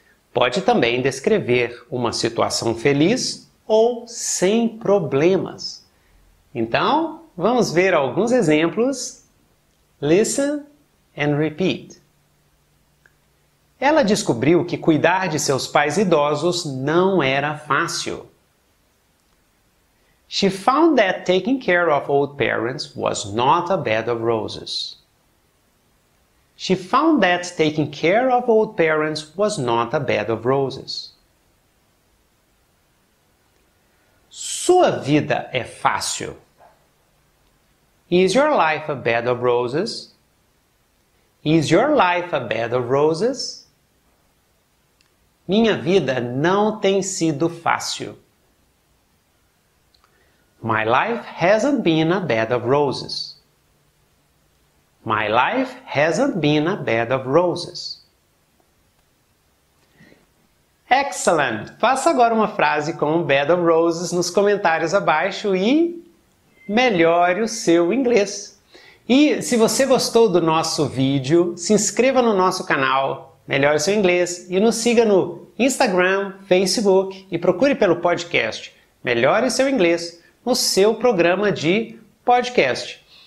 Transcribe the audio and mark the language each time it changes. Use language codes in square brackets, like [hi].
[pt] Pode também descrever uma situação feliz ou sem problemas. Então, vamos ver alguns exemplos. [en] Listen and repeat. [pt] Ela descobriu que cuidar de seus pais idosos não era fácil. [en] She found that taking care of old parents was not a bed of roses. She found that taking care of old parents was not a bed of roses. [pt] Sua vida é fácil. [en] Is your life a bed of roses? Is your life a bed of roses? [pt] Minha vida não tem sido fácil. [en] My life hasn't been a bed of roses. My life hasn't been a bed of roses. Excellent! [pt] Faça agora uma frase com o bed of roses nos comentários abaixo e melhore o seu inglês. E se você gostou do nosso vídeo, se inscreva no nosso canal Melhore Seu Inglês e nos siga no Instagram, Facebook e procure pelo podcast Melhore Seu Inglês no seu programa de podcast.